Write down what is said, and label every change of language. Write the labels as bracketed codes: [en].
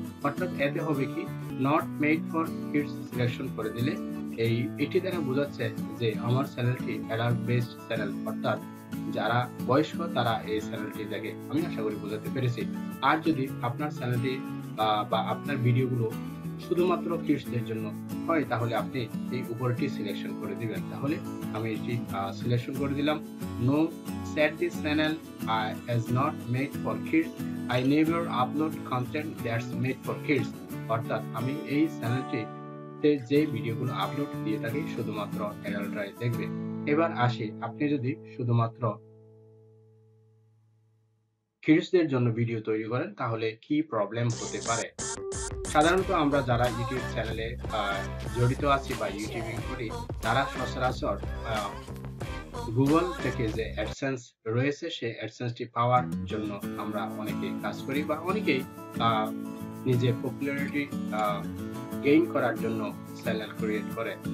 [bn] অর্থাৎ এতে হবে কি, [en] not made for kids [bn] selection করে দিলে এটি দ্বারা বোঝাচ্ছে যে আমার চ্যানেলটি অ্যাডাল্ট বেসড চ্যানেল, অর্থাৎ যারা বয়স্ক তারা এই চ্যানেলটি দেখে। আমি আশা করি বোঝাতে পেরেছি। আর যদি আপনার চ্যানেলটি বা আপনার ভিডিওগুলো শুধুমাত্র কিডসদের জন্য হয় তাহলে আপনি এই উপরটি সিলেকশন করে দিবেন। তাহলে আমি এটি সিলেকশন করে দিলাম, no [en] said this channel is not made for kids. I never upload content that's made for kids. [bn] অর্থাৎ আমি এই চ্যানেলটিতে যে ভিডিওগুলো আপলোড দিয়ে থাকি শুধুমাত্র অ্যাডাল্টরাই দেখবে। এবার আসি, আপনি যদি শুধুমাত্র কিডসদের জন্য ভিডিও তৈরি করেন তাহলে কি প্রবলেম হতে পারে? সাধারণত আমরা যারা ইউটিউব চ্যানেলে জড়িত আছি বা ইউটিউবিং করি, তারা সচরাচর গুগল থেকে যে অ্যাডসেন্স রয়েছে সেই অ্যাডসেন্সটি পাওয়ার জন্য আমরা অনেকে কাজ করি বা অনেকেই নিজের পপুলারিটি গেইন করার জন্য চ্যানেল ক্রিয়েট করে।